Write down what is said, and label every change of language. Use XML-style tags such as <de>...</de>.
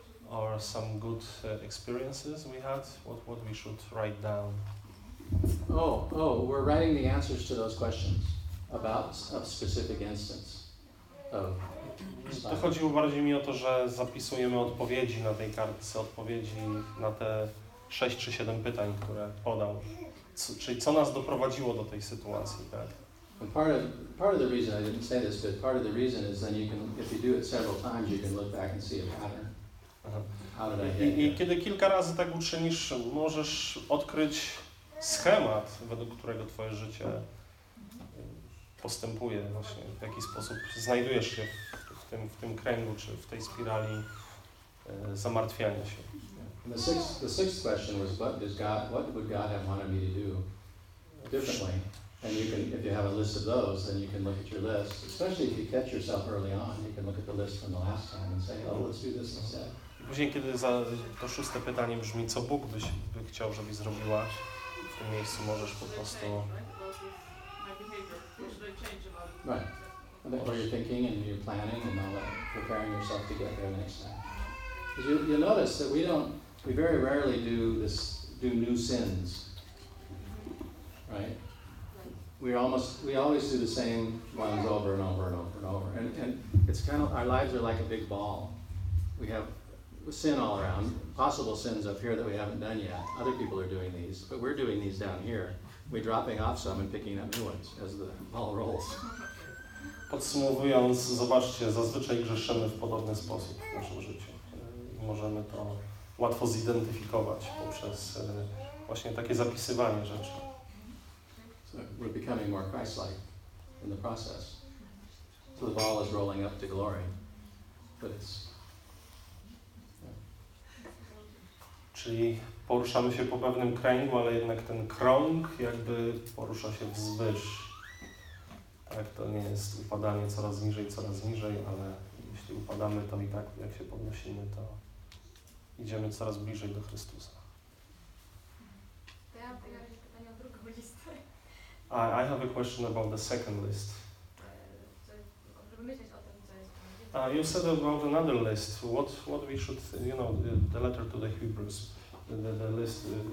<en>Or some good experiences we had? What we should write down? Oh, we're writing the answers to those questions about a specific instance.</en> <pl>To chodziło bardziej mi o to, że zapisujemy odpowiedzi na tej kartce, odpowiedzi na te 6 czy 7 pytań, które podał. Czyli co nas doprowadziło do tej sytuacji, tak?</pl> <en>Part of the reason, I didn't say this, but part of the reason is then you can, if you do it several times, you can look back and see a pattern.</en> <pl>I kiedy kilka razy tak uczynisz, możesz odkryć schemat, według którego twoje życie postępuje, właśnie w jaki sposób znajdujesz się w tym kręgu, czy w tej spirali zamartwiania się.</pl> <en>The sixth question was, what would God have wanted me to do differently? And you can, if you have a list of those, then you can look at your list. Especially if you catch yourself early on, you can look at the list from the last time and say, oh, let's do this instead.</en> <pl>Później, kiedy to szóste pytanie brzmi, co Bóg by chciał, żebyś zrobiła, w tym miejscu możesz po prostu...</pl> <en>Right. Or your thinking and your planning and all that, preparing yourself to get there next time. Because you'll notice that we very rarely do new sins, right? We always do the same ones over and over and over and over. And it's kind of, our lives are like a big ball. We have sin all around, possible sins up here that we haven't done yet. Other people are doing these, but we're doing these down here. We're dropping off some and picking up new ones as the ball rolls.</en> <pl>Podsumowując, zobaczcie, zazwyczaj grzeszymy w podobny sposób w naszym życiu. Możemy to łatwo zidentyfikować poprzez właśnie takie zapisywanie rzeczy.</pl> <en>So we're becoming more Christ-like in the process. So the ball is rolling up to glory, but it's.</en> <pl>Czyli poruszamy się po pewnym kręgu, ale jednak ten krąg jakby porusza się wzwyż. Tak, to nie jest upadanie coraz niżej, ale jeśli upadamy, to i tak jak się podnosimy, to idziemy coraz bliżej do Chrystusa. To ja mam pytanie o drugą listę.</pl> <en>I have a question about the second list.</en> <pl>Żeby</pl> <en>You said about another list. What we should, you know, the letter to the Hebrews, the list.</en>